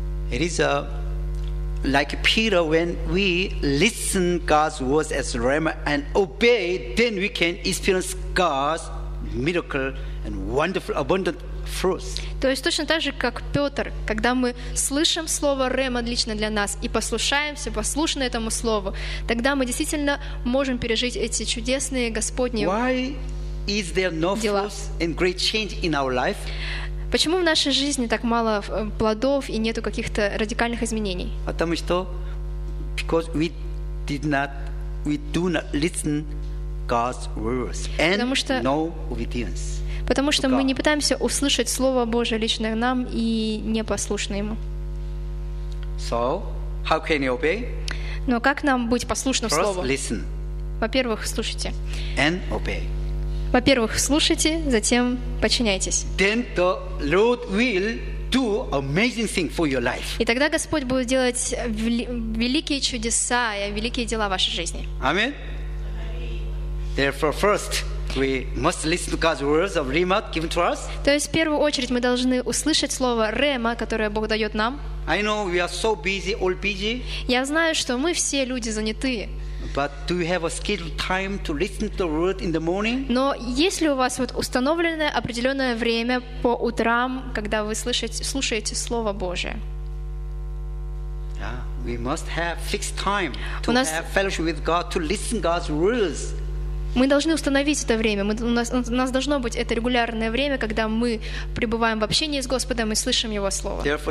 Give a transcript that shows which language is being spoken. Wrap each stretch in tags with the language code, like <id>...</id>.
<en>It is like Peter, when we listen God's words as rhema and obey, then we can experience God's miracle and wonderful abundant fruits.</en> <ru>То есть точно так же, как Петр, когда мы слышим слово рема лично для нас и послушаемся, послушны этому слову, тогда мы действительно можем пережить эти чудесные Господни дела.</ru> <en>Why is there no fruits and great change in our life?</en> <ru>Почему в нашей жизни так мало плодов и нету каких-то радикальных изменений? Потому что</ru> <en>because we did not, we do not listen God's words and no obedience.</en> <ru>Потому что мы не пытаемся услышать Слово Божие лично нам и не послушны Ему.</ru> <en>So, how can you obey?</en> <ru>Но как нам быть послушным Слову?</ru> <en>First, listen.</en> <ru>Во-первых, слушайте.</ru> <en>And obey.</en> <ru>Во-первых, слушайте, затем подчиняйтесь.</ru> <en>Then the Lord will do amazing things for your life.</en> <ru>И тогда Господь будет делать великие чудеса и великие дела в вашей жизни.</ru> <en>Amen. Therefore, first we must listen to God's words of Rema given to us.</en> <ru>То есть в первую очередь мы должны услышать слово Рема, которое Бог дает нам.</ru> <en>I know we are so busy, all busy.</en> <ru>Я знаю, что мы все люди заняты.</ru> <en>But do you have a scheduled time to listen to the word in the morning?</en> <ru>Но есть ли у вас вот установленное определенное время по утрам, когда вы слушаете слово Божие?</ru> <en>Yeah, we must have fixed time to have fellowship with God to listen to God's words.</en> <ru>Мы должны установить это время. У нас должно быть это регулярное время, когда мы пребываем в общении с Господом и слышим Его Слово.</ru>